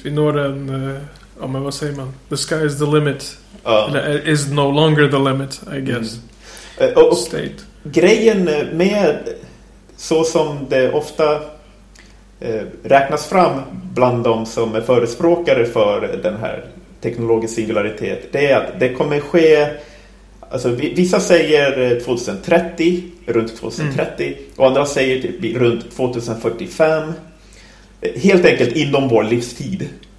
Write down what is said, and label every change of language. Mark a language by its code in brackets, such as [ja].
[sv] Vi når en, men vad säger man? [en] The sky is the limit. Is no longer the limit, I guess. [sv] Och state. Grejen med så som det ofta räknas fram bland de som är förespråkare för den här teknologiska singularitet, det är att det kommer ske, alltså vissa säger 2030, runt 2030, och andra säger typ runt 2045, helt enkelt inom vår livstid.